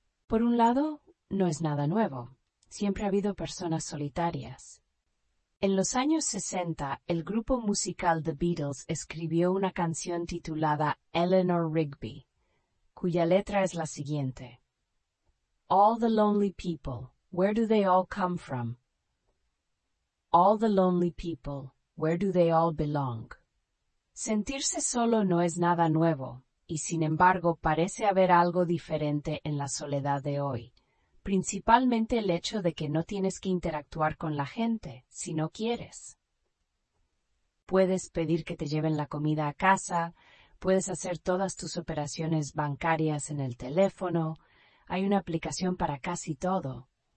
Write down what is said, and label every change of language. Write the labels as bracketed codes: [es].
[es] Por un lado, no es nada nuevo. Siempre ha habido personas solitarias. En los años 60, el grupo musical The Beatles escribió una canción titulada Eleanor Rigby, cuya letra es la siguiente. [en] All the lonely people, where do they all come from? All the lonely people, where do they all belong? [es] Sentirse solo no es nada nuevo, y sin embargo parece haber algo diferente en la soledad de hoy. Principalmente el hecho de que no tienes que interactuar con la gente, si no quieres. Puedes pedir que te lleven la comida a casa, puedes hacer todas tus operaciones bancarias en el teléfono, hay una aplicación para casi todo.